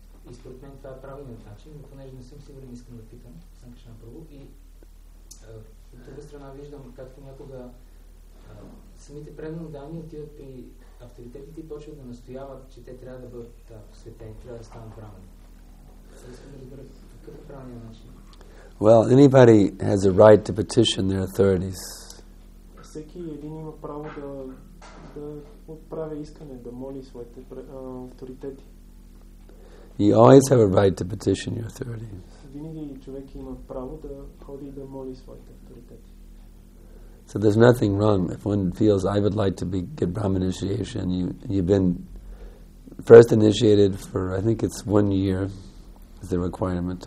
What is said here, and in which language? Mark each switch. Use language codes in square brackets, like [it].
[bg] И според мен това е правилният начин, но понеже не съм сигурен, искам да питам Санкшана Прабху. И от друга страна виждам как понякога самите преднодани отиват при авторитетите и почват да настояват, че те трябва да бъдат посветени, трябва да станат брахмани. Искам да разбера какъв е правилният начин. [en] Well, anybody has a right to petition their authorities. [bg] Всеки един има право да отправя искане, да моли своите авторитети. [en] You always have a right to petition your authorities. [bg] Винаги човек има право да ходи да моли своите авторитети. [en] So there's nothing wrong if one feels I would like to be get Brahmin initiation. You've been first initiated for I think it's 1 year is the requirement.